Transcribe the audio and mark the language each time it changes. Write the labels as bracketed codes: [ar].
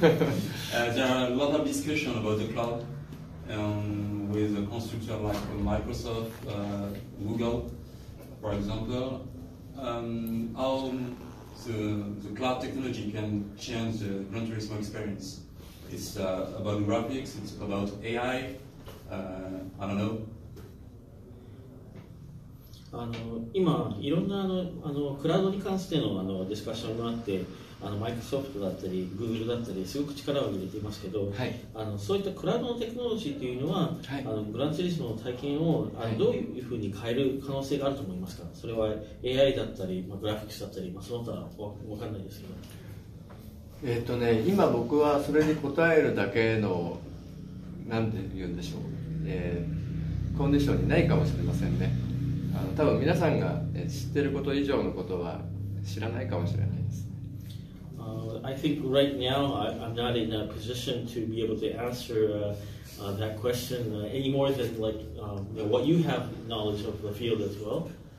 [en] There are a lot of discussion about the cloud with a constructor like Microsoft, Google, for example. How the cloud technology can change the Gran Turismo experience? It's about graphics, it's about AI, I don't know. [ja] あの今いろんなあのクラウドに関して あのディスカッションがあって、あのマイクロソフトだったりグーグルだったりすごく力を入れていますけど、はい、あのそういったクラウドのテクノロジーというのは、はい、あのグランツーリスモの体験をあのどういうふうに変える可能性があると思いますか。それは AI だったり、まあ、グラフィックスだったり、まあ、その他は分かんないですけど、ね、今僕はそれに答えるだけの何て言うんでしょう、コンディションにないかもしれませんね。多分皆さんが知っていること以上のことは知らないかもしれないですね。 [en] I think right now I'm not in a position to be able to answer that question any more than like what you have knowledge of the field as well.